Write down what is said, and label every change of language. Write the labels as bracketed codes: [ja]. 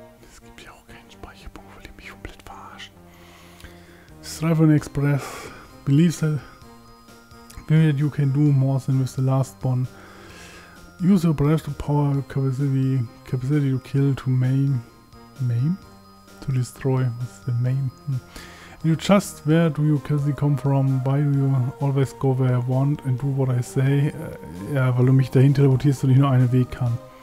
[de] Es gibt ja auch keinen Speicherpunkt, weil die mich komplett verarschen. [en] Strive on Express. Believe that you can do more than with the last one. Use your breath to power capacity to kill, to maim. Maim? To destroy. What's the maim? You just, where do you casually come from? Why do you always go where I want and do what I say? [de] Ja, weil du mich dahin teleportierst und ich nur einen Weg kann.